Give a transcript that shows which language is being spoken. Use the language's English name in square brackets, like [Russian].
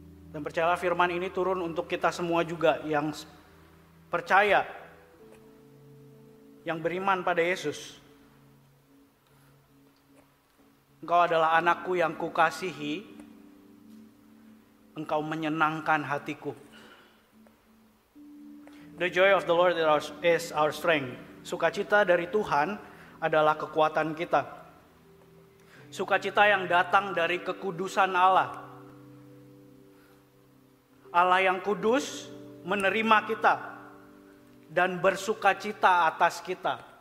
[Indonesian] Dan percayalah, firman ini turun untuk kita semua juga yang percaya, yang beriman pada Yesus. Engkau adalah anakku yang kukasihi, engkau menyenangkan hatiku. [English] The joy of the Lord is our strength. [Indonesian] Sukacita dari Tuhan adalah kekuatan kita. Sukacita yang datang dari kekudusan Allah. Allah yang kudus menerima kita dan bersukacita atas kita.